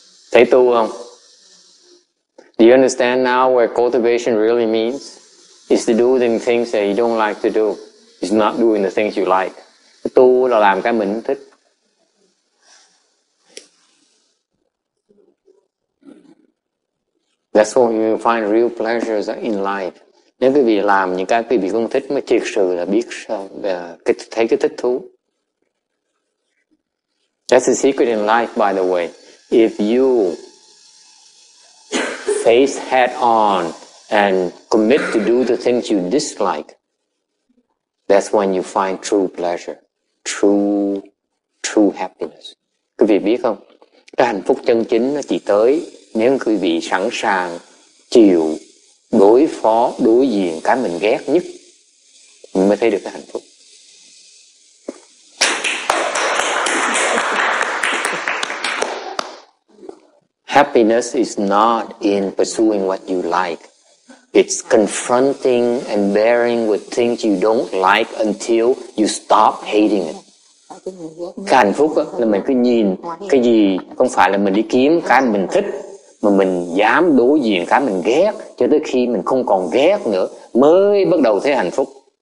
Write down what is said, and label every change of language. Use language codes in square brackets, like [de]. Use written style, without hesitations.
[vi] thấy tu không? [en] Do you understand now what cultivation really means? It's to do the things that you don't like to do. It's not doing the things you like. [vi] Tu là làm cái mình thích. [en] That's when you find real pleasures in life. [vi] Nếu quý vị làm những cái quý vị không thích mà thiệt sự là biết thấy cái thích thú. [en] That's the secret in life, by the way. If you face head on and commit to do the things you dislike, that's when you find true pleasure, true happiness. [vi] Quý vị biết không? Cái hạnh phúc chân chính nó chỉ tới nếu quý vị sẵn sàng chịu đối phó, đối diện cái mình ghét nhất, mình mới thấy được cái hạnh phúc. [en] Happiness is not in pursuing what you like. It's confronting and bearing with things you don't like until you stop hating it. [vi] Cái hạnh phúc là mình cứ nhìn cái gì không phải là mình đi kiếm cái mình thích, mà mình dám đối diện cái mình ghét cho tới khi mình không còn ghét nữa mới bắt đầu thấy hạnh phúc.